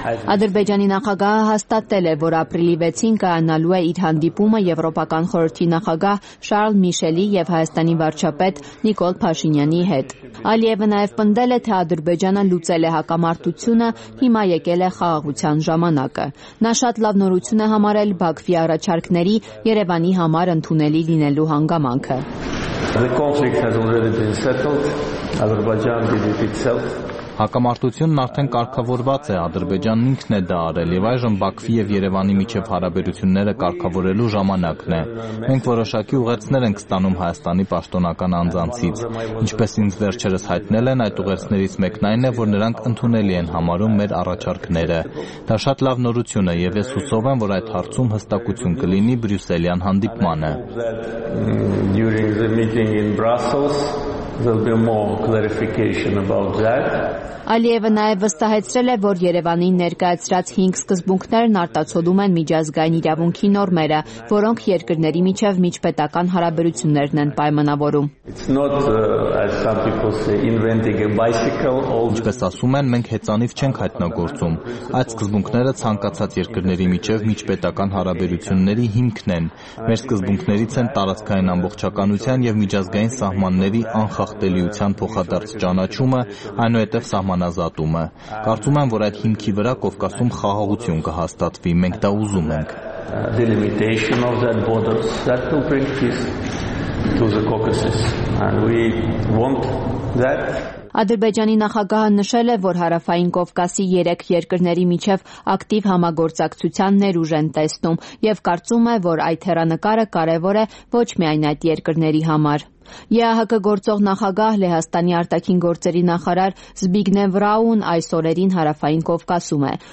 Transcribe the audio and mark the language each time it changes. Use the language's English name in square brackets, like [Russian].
[Armenian] Ադրբեջանի նախագահը հաստատել է, որ ապրիլի 6-ին կայանալու է իր հանդիպումը Եվրոպական խորհրդի նախագահ Շարլ Միշելի և Հայաստանի վարչապետ Նիկոլ Փաշինյանի հետ։ Ալիևը նաև պնդել է, թե Ադրբեջանը լուծել է հակամարտությունը, հիմա եկել է խաղաղության ժամանակը։ Նա շատ լավ նորություն է համարել Բաքվի առաջարկների Երևանի համար ընդունելի լինելու հանգամանքը։ [English] The conflict has already been settled. Azerbaijan did it itself. [Armenian] Հակամարտությունն արդեն կարգավորված է, Ադրբեջանն ինքն է դա արել, եւ այժմ Բաքվի եւ Երևանի միջև հարաբերությունները կարգավորելու ժամանակն է։ Մենք որոշակի ուղերձներ ենք ստանում Հայաստանի պաշտոնական անձանցից։ Ինչպես ինձ վերջերս հայտնել են, այդ ուղերձներից մեկն այն է, որ նրանք ընդունելի են համարում մեր առաջարկները։ Դա շատ լավ նորություն է, եւ ես հուսով եմ, որ այդ հարցում հստակություն կլինի Բրյուսելյան հանդիպմանը։ [English] During the meeting in Brussels, there'll be more clarification about that. [Armenian] Ալիևը նաև վստահեցրել է, որ Երևանի ներկայացրած 5 սկզբունքներն արտացոլում են միջազգային իրավունքի նորմերը, որոնք երկրների միջև միջպետական հարաբերություններն են պայմանավորում։ [English] It's not as some people say inventing a bicycle. [Armenian] Ինչպես ասում են, մենք հեծանիվ չենք հայտնագործում։ Այդ սկզբունքները ցանկացած երկրների միջև միջպետական հարաբերությունների հիմքն են։ Մեր սկզբունքներից են տարածքային ամբողջականության եւ միջազգային սահմանների անխախտելիության փոխադարձ ճանաչումը, այնուհետև համանազատումը։ Կարծում եմ, որ այդ հիմքի վրա Կովկասում խաղաղություն կհաստատվի, մենք դա ուզում ենք։ [English] The limitation of that borders that will bring peace to the Caucasus and we want that. [Armenian] Ադրբեջանի նախագահը նշել է, որ հարավային Կովկասի 3 երկրների միջև ակտիվ համագործակցության ներուժ են տեսնում եւ կարծում է, որ այդ հերանակարը կարեւոր է ոչ միայն այդ երկրների համար։ ԵԱՀԿ գործող նախագահ Լեհաստանի արտաքին գործերի նախարար Զբիգնև Ռաուն այսօրերին հարավային Կովկասում է։